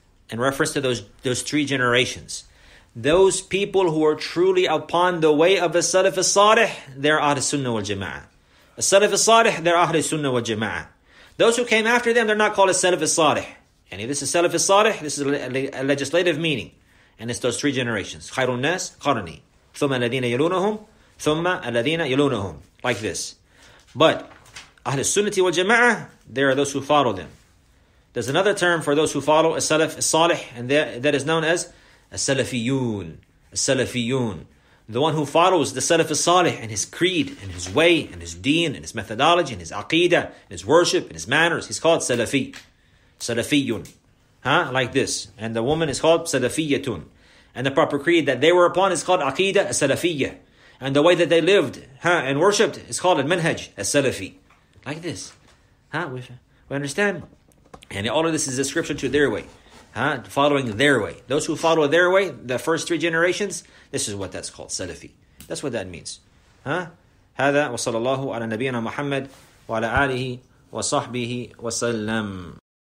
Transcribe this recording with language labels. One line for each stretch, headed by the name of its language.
English: In reference to those three generations. Those people who are truly upon the way of As-Salaf as-Salih, they're Ahl Sunnah wal Jama'ah. As-Salaf as-Salih, they're Ahl Sunnah wal Jama'ah. Those who came after them, they're not called As-Salaf as-Salih. And if this is As-Salaf as-Salih, this is a legislative meaning. And it's those three generations.
Arabic: Khairun Nas, Qarni. ثُمَّ الَّذِينَ يَلُونَهُمْ ثُمَّ الَّذِينَ يَلُونَهُمْ
English: Like this. But Ahl Sunnati wal Jama'ah, there are those who follow them. There's another term for those who follow As-Salaf as-Salih, and that is known as As-Salafiyun. As-Salafiyun. The one who follows the Salaf as-Salih and his creed and his way and his deen and his methodology and his aqidah and his worship and his manners, he's called Salafi. Salafiyun. Huh? Like this. And the woman is called Salafiyatun. And the proper creed that they were upon is called Aqidah As-Salafiyya. And the way that they lived and worshipped is called Al-Manhaj As-Salafi. Like this. We understand. And all of this is a description to their way. Following their way. Those who follow their way, the first three generations, this is what that's called, Salafi. That's what that means.
Arabic: هذا وصلى الله على نبينا محمد وعلى آله وصحبه وسلم.